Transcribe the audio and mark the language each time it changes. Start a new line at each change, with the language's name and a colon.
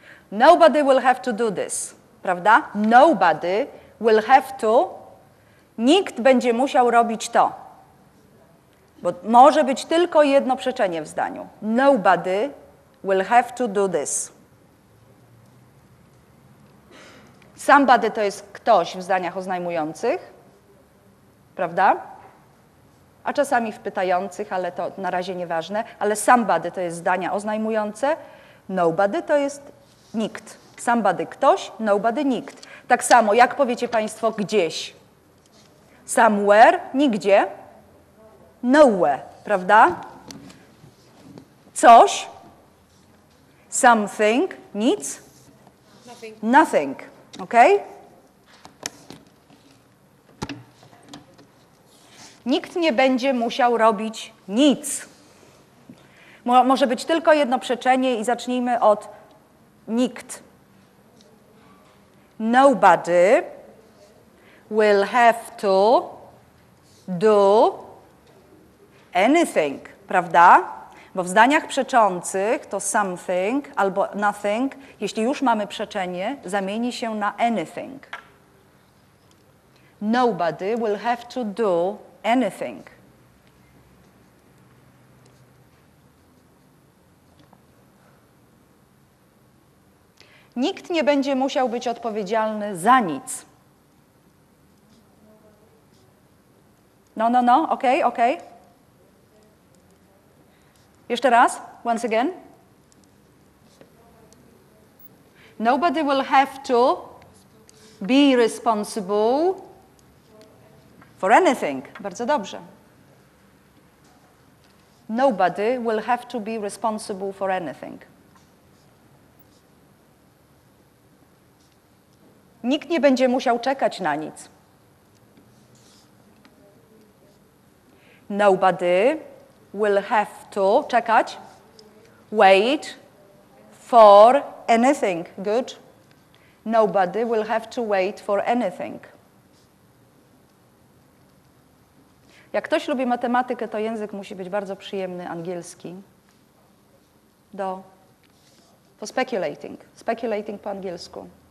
English: Nobody will have to do this.
Polish: Prawda?
English: Nobody will have to.
Polish: Nikt będzie musiał robić to. Bo może być tylko jedno przeczenie w zdaniu. Nobody will have to do this. Somebody to jest ktoś w zdaniach oznajmujących. Prawda? A czasami w pytających, ale to na razie nieważne. Ale somebody to jest zdania oznajmujące. Nobody to jest nikt. Somebody ktoś, nobody nikt. Tak samo, jak powiecie państwo gdzieś?
English: Somewhere, nigdzie. Nowhere, prawda?
Polish: Coś, something, nic.
English: Nothing, OK?
Polish: Nikt nie będzie musiał robić nic. Może być tylko jedno przeczenie i zacznijmy od nikt.
English: Nobody will have to do anything, prawda?
Polish: Bo w zdaniach przeczących to something albo nothing, jeśli już mamy przeczenie, zamieni się na anything.
English: Nobody will have to do anything.
Polish: Nikt nie będzie musiał być odpowiedzialny za nic. No, okej. Jeszcze raz,
English: once again. Nobody will have to be responsible for anything.
Polish: Bardzo dobrze.
English: Nobody will have to be responsible for anything.
Polish: Nikt nie będzie musiał czekać na nic.
English: Nobody will have to
Polish: czekać,
English: wait for anything. Good. Nobody will have to wait for anything.
Polish: Jak ktoś lubi matematykę, to język musi być bardzo przyjemny, angielski.
English: For speculating. Speculating
Polish: po angielsku.